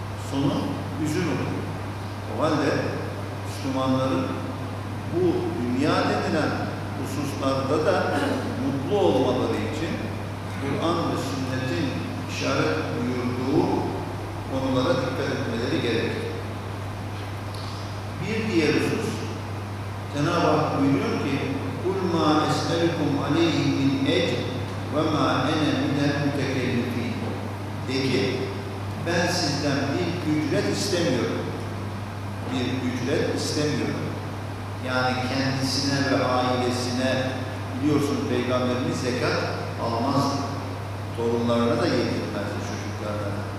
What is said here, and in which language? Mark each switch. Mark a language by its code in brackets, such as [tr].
[tr] Sonu üzül olur. O halde Müslümanların bu dünya denilen hususlarda da mutlu olmaları için Kur'an ve sünnetin işaret buyurduğu konulara dikkat etmeleri gerekir. Bir diğer husus, Cenab-ı Hak buyuruyor ki [ar] قُلْ مَا أَسْأَلُكُمْ عَلَيْهِ مِنْ اَجْرٍ وَمَا اَنَا مِنَ الْمُتَكَلِّفِينَ. [tr] De ki, ben sizden bir ücret istemiyorum. Bir ücret istemiyorum. Yani kendisine ve ailesine, biliyorsunuz Peygamberimiz zekat almaz, torunlarına da yedirmez çocuklarına.